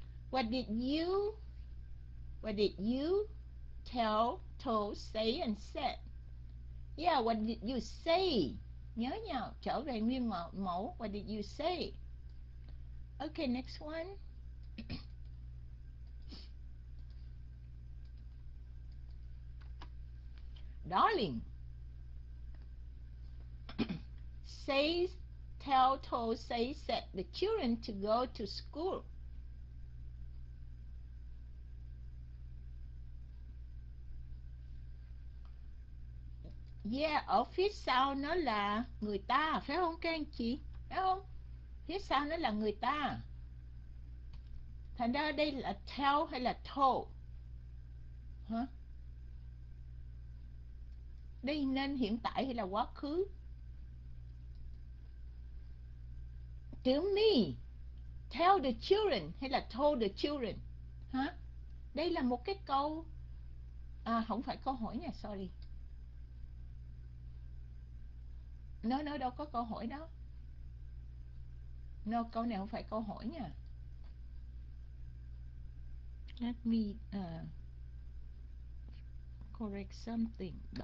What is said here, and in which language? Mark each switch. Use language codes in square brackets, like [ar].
[en] What did you tell, told, say and said? Yeah, what did you say? [vi] Nhớ nha, trở về nguyên mẫu. [en] What did you say? Okay, next one. Darling. Said the children to go to school. [vi] Yeah, ở phía sau nó là người ta, phải không các anh chị? Phải không? Phía sau nó là người ta. Thành ra đây là tell hay là told? Hả? Đây nên hiện tại hay là quá khứ? [en] To me, tell the children [vi] hay là [en] told the children? Hả? [vi] Đây là một cái câu, à không phải câu hỏi nha, sorry. Nó đâu có câu hỏi đó. No, câu này không phải câu hỏi nha. [en] Let me correct something.